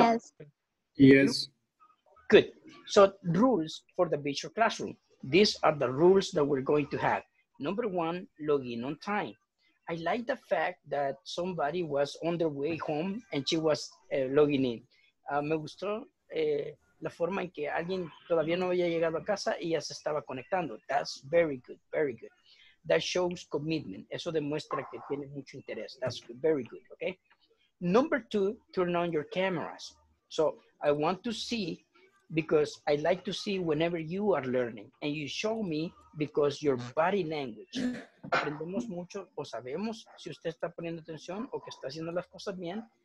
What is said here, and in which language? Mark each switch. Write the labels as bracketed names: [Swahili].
[English] yes. on. Yes. Good. So rules for the virtual classroom. These are the rules that we're going to have. Number one, login on time. I like the fact that somebody was on their way home and she was logging in. [Spanish] Me gustó la forma en que alguien todavía no había llegado a casa y ya se estaba conectando. [English] That's very good, very good. That shows commitment. [Spanish] Eso demuestra que tiene mucho interés. [English] That's good, very good, okay? Number two, turn on your cameras. So I want to see, because I like to see whenever you are learning and you show me because your body language. [Spanish] Aprendemos mucho o sabemos si usted está poniendo atención o que está haciendo las cosas bien.